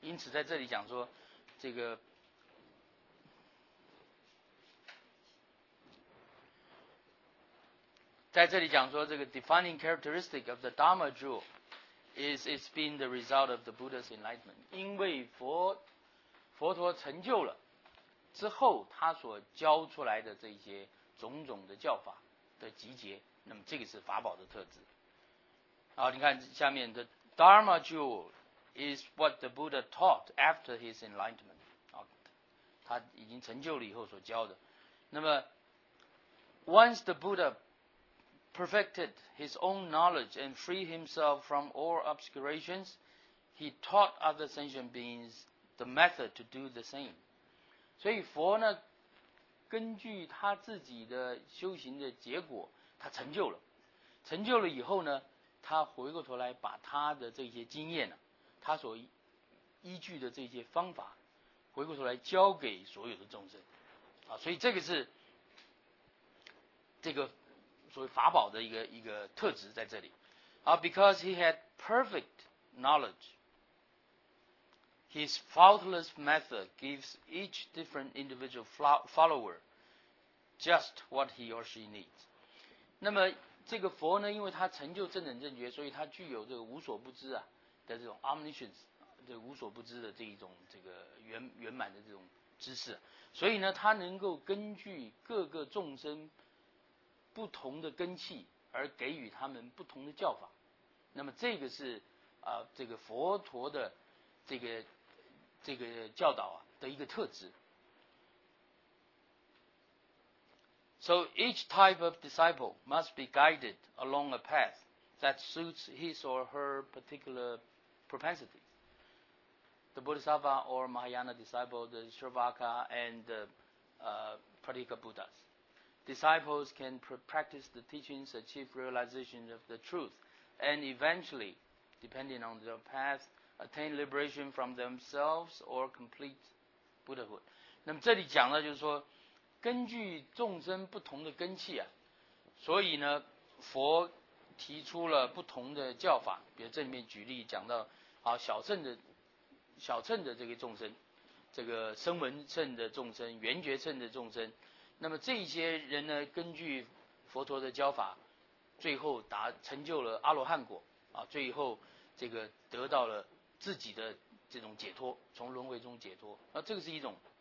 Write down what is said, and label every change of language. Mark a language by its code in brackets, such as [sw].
[zh] 因此在这里讲说这个 [en] defining characteristic of the Dharma jewel is it's been the result of the Buddha's enlightenment。 [zh] 因为佛陀成就了之后，他所教出来的这些种种的教法的集结，那么这个是法宝的特质。好，你看下面 [en] the Dharma jewel is what the Buddha taught after his enlightenment。 [zh] 好，他已经成就了以后所教的。那么 [en] once the Buddhaperfected his own knowledge and freed himself from all obscurations, he taught other sentient beings the method to do the same. [zh] 所以佛呢，根据他自己的修行的结果，他成就了。成就了以后呢，他回过头来把他的这些经验呢，他所依据的这些方法，回过头来教给所有的众生。啊，所以这个是这个所谓法宝的一个特质在这里。 [en] Because he had perfect knowledge, his faultless method gives each different individual follower just what he or she needs. [zh] 那么这个佛呢，因为他成就正等正觉，所以他具有这个无所不知啊的这种 omniscience， 这个无所不知的这一种这个圆满的这种知识，所以呢，他能够根据各个众生不同的根器而给予他们不同的教法。那么这个是这个佛陀的这个教导啊的一个特质。 [en] So each type of disciple must be guided along a path that suits his or her particular propensity. The Bodhisattva or Mahayana disciple, the Shravaka and the Pratika Buddhas. Disciples can practice the teachings, achieve realization of the truth, and eventually, depending on their path, attain liberation from themselves or complete Buddhahood. [zh] 那么这里讲的就是说，根据众生不同的根器啊，所以呢佛提出了不同的教法。比如这里面举例讲到啊，小乘的这个众生，这个声闻乘的众生，缘觉乘的众生，那么这些人呢根据佛陀的教法最后成就了阿罗汉果啊，最后这个得到了自己的这种解脱，从轮回中解脱啊，这个是一种。